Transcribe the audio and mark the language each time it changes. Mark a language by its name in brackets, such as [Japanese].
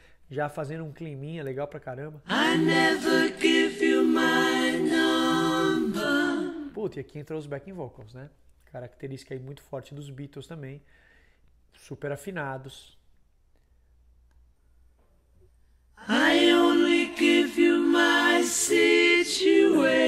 [Portuguese] Já fazendo um climinha legal pra caramba. [English] I never give you my number. [Portuguese] Puta, e aqui entrou os backing vocals, né? Característica aí muito forte dos Beatles também. Super afinados. [English] I only give you my situation.